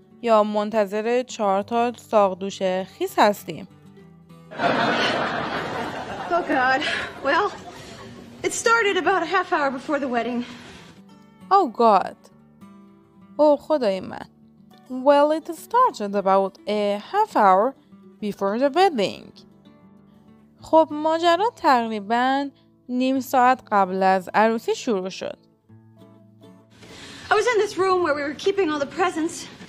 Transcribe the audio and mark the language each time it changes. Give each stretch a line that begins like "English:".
Persian: یا منتظر چهار تا ساقدوش خیس هستیم.
English: Oh God. Well, it started about a half hour before the wedding. Oh God.
Persian: او خدای من.
English: Well, it started about a half hour before the wedding.
Persian: خب ماجرا تقریبا نیم ساعت قبل از عروسی شروع شد.
English: I was in this room where we were keeping all the presents.